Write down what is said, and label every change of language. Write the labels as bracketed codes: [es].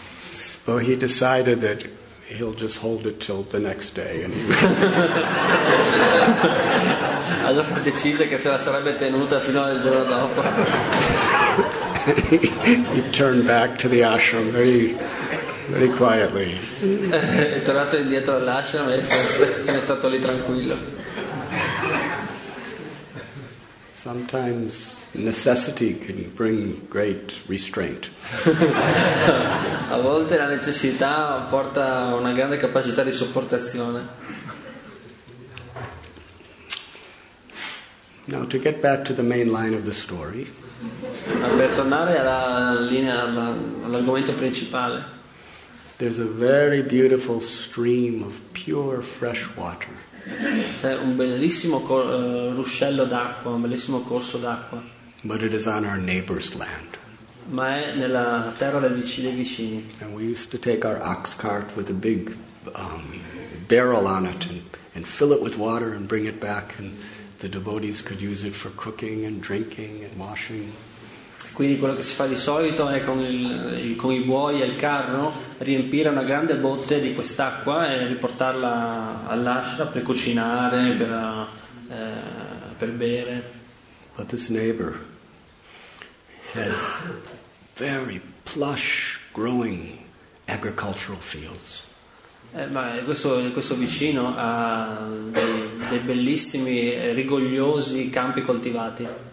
[en] So he decided that he'll just hold it till the next day. [it] Allora decise che se la sarebbe tenuta fino al giorno dopo. [en] He turned back to the ashram very, very quietly. [it] È tornato indietro all'ashram e è stato lì tranquillo. [en] Sometimes necessity can bring great restraint. [it] A volte la necessità porta una grande capacità di sopportazione. [en] Now, to get back to the main line of the story. [it] Per tornare alla linea, all'argomento principale. [en] There's a very beautiful stream of pure fresh water. [it] C'è un bellissimo ruscello d'acqua, un bellissimo corso d'acqua. [en] But it is on our neighbor's land. [it] Ma è nella terra dei vicini. [en] And we used to take our ox cart with a big barrel on it and fill it with water and bring it back, and the devotees could use it for cooking and drinking and washing. [it] Quindi quello che si fa di solito è con i buoi e il carro riempire una grande botte di quest'acqua e riportarla all'ashra per cucinare, per bere. [en] But this neighbor had very plush growing agricultural fields. [it] Ma questo vicino ha dei bellissimi rigogliosi campi coltivati.